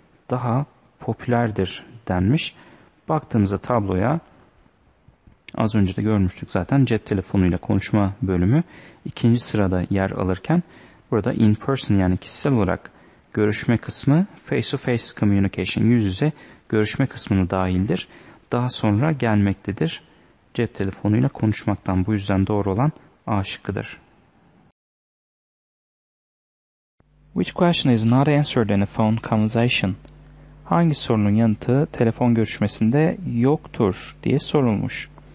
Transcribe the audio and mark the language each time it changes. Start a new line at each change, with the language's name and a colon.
Turkish: daha popülerdir denmiş. Baktığımızda tabloya, az önce de görmüştük zaten, cep telefonuyla konuşma bölümü ikinci sırada yer alırken, burada in person yani kişisel olarak görüşme kısmı, face to face communication yüz yüze görüşme kısmını dahildir. Daha sonra gelmektedir. Cep telefonuyla konuşmaktan bu yüzden doğru olan A şıkkıdır.
English: Which question is not answered in a phone conversation?
Turkish: Hangi sorunun yanıtı telefon görüşmesinde yoktur diye sorulmuş.